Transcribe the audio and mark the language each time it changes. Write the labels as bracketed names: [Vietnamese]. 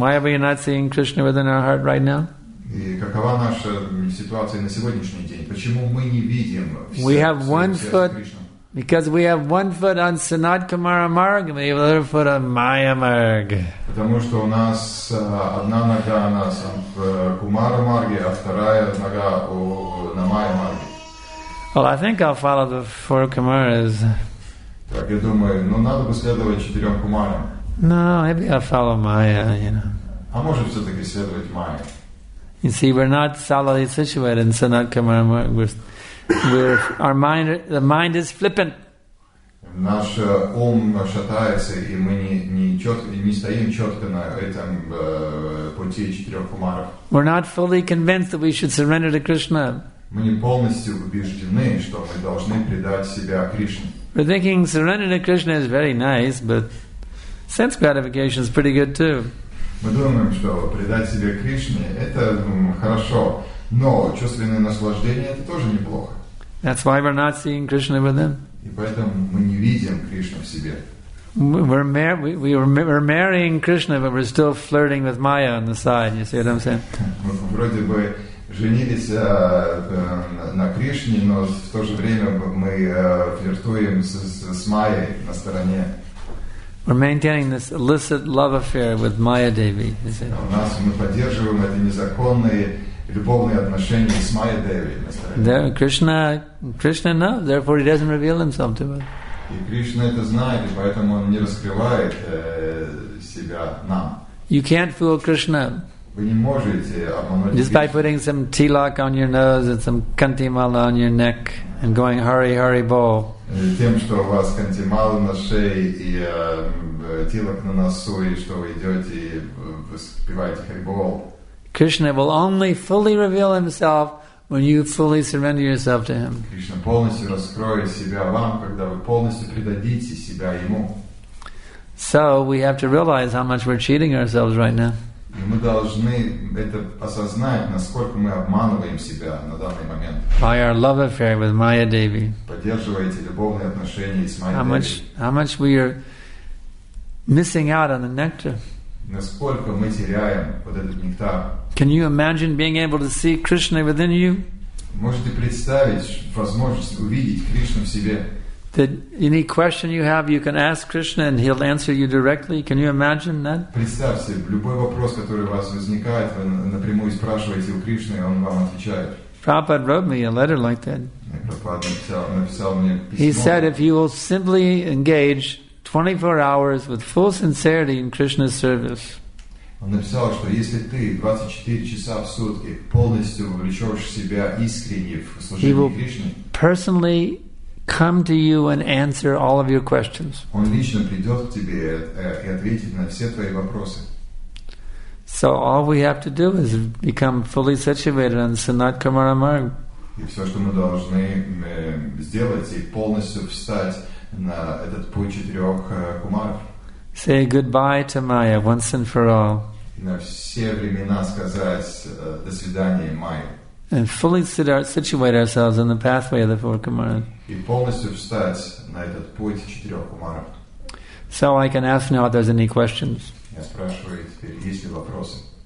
[English] Why are we not seeing Krishna within our heart right now? [Russian] И какова наша ситуация на сегодняшний день? Почему мы не видим Кришну? [English] We have one foot because we have one foot on Sanat Kumara Marg, and we have another foot on Maya Marg. [Russian] Потому что у нас одна нога на Кумара Марге, а вторая нога на Майя Марге. [English] Well, I think I'll follow the four Kumaras. [Russian] Так, я думаю, надо бы следовать четырем Кумарам. [English] No, maybe I'll follow Maya, you know. [Russian] А может все-таки следовать Майе? [English] You see, we're not solidly situated in Sanat Kumara Marg. The mind is flippant. [Russian] Наш ум шатается, и мы не стоим четко на этом пути четырех кумаров. [English] We're not fully convinced that we should surrender to Krishna. [Russian] Мы не полностью убеждены, что мы должны предать себя Кришне. [English] We're thinking surrender to Krishna is very nice, but sense gratification is pretty good too. [Russian] Мы думаем, что предать себе Кришне — это хорошо, но чувственное наслаждение — это тоже неплохо. [English] That's why we're not seeing Krishna within. [Russian] И поэтому мы не видим Кришну в себе. [English] We're marrying Krishna, but we're still flirting with Maya on the side. You see what I'm saying? [Russian] Мы вроде бы женились на Кришне, но в то же время мы флиртуем с Майей на стороне. [English] We're maintaining this illicit love affair with Maya Devi. [Russian] У нас мы поддерживаем эти незаконные любовные отношения с Майя Деви. [English] Krishna knows, therefore he doesn't reveal himself to us. [Russian] И Кришна это знает, и поэтому он не раскрывает себя нам. [English] You can't fool Krishna. [Russian] Вы не можете обмануть. [English] Just by putting some tilak on your nose and some kanti mala on your neck and going hurry hurry bol. [Russian] Тем, что у вас кантимал на шее и тилок на носу, и что вы идете и воспеваете харибол. [English] Krishna will only fully reveal himself when you fully surrender yourself to him. [Russian] Кришна полностью раскроет себя вам, когда вы полностью предадите себя ему. [English] So we have to realize how much we're cheating ourselves right now. [Russian] И мы должны это осознать, насколько мы обманываем себя на данный момент. [English] By our love affair with Maya Devi. [Russian] Поддерживая эти любовные отношения с Майей Деви. [English] How much we are missing out on the nectar. [Russian] Насколько мы теряем вот этот нектар. [English] Can you imagine being able to see Krishna within you? [Russian] Можете представить возможность увидеть Кришну в себе? [English] That any question you have, you can ask Krishna and he'll answer you directly. Can you imagine that? [Russian] Представьте себе, любой вопрос, который у вас возникает, вы напрямую спрашиваете у Кришны, и он вам отвечает. [English] Prabhupada wrote me a letter like that. [Russian] Написал мне письмо. [English] He said, if you will simply engage 24 hours with full sincerity in Krishna's service. [Russian] Он написал, что если ты 24 часа в сутки полностью вовлечешь себя искренне в служение Кришне, [English] he will personally come to you and answer all of your questions. [Russian] Он лично придет к тебе и ответит на все твои вопросы. [English] So all we have to do is become fully situated on Sanat Kumara Marg. [Russian] И все, что мы должны сделать, и полностью встать на этот путь четырех кумаров. [English] Say goodbye to Maya once and for all. [Russian] И на все времена сказать до свидания, Майя. [English] And fully situate ourselves on the pathway of the four kumaras. [Russian] И полностью встать на этот путь четырех кумаров. [English] So I can ask now if there's any questions. [Russian] Я спрашиваю теперь, есть ли вопросы?